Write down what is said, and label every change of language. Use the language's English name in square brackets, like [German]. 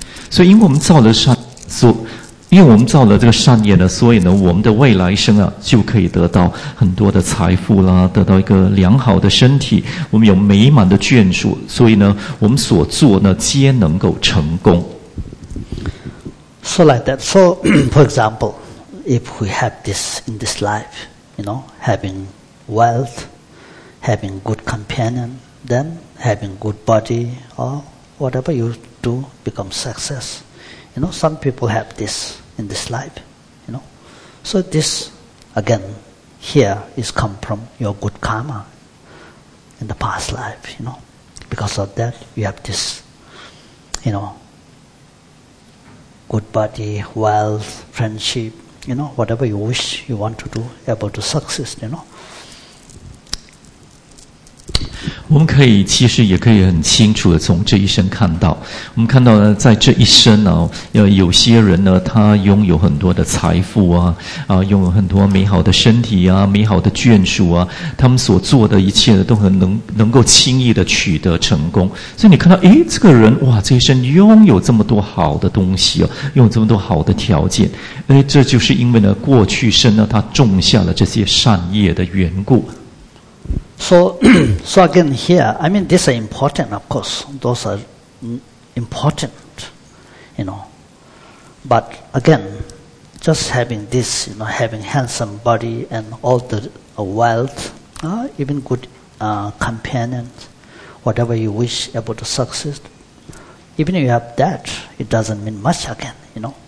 [Chinese] 所以我们可以很清楚地看到呢，这是由贪念所引发的。因为呢，我们对未来生所希求未来生得到快乐这样的贪念或贪执，所以呢，我们去修这个布施啊，我们去修这个持戒啊，修这个安忍啊，而且非常精进地去修这个每一样的善行。所以，因为我们造了善，所 因为我们造了这个善业呢，所以呢，我们的未来生啊，就可以得到很多的财富啦，得到一个良好的身体，我们有美满的眷属，所以呢，我们所做呢，皆能够成功。 [English] So like that. So, for example, if we have this in this life, you know, having wealth, having good companion, then having good body, or whatever you do, become success. You know, some people have this in this life, you know. So this, again, here is come from your good karma in the past life, you know. Because of that, you have this, you know, good body, wealth, friendship, you know, whatever you wish, you want to do, able to succeed, you know. [Chinese] 我们可以其实也可以很清楚的从这一生看到，我们看到呢，在这一生呢、啊，有些人呢，他拥有很多的财富啊，啊，拥有很多美好的身体啊，美好的眷属啊，他们所做的一切呢，都很能够轻易的取得成功。所以你看到，诶，这个人哇，这一生拥有这么多好的东西哦、啊，拥有这么多好的条件，诶，这就是因为呢，过去生呢，他种下了这些善业的缘故。 [English] So again here, I mean, these are important, of course. Those are important, you know. But again, just having this, you know, having handsome body and all the wealth, even good companions, whatever you wish able to succeed, even if you have that, it doesn't mean much again, you know.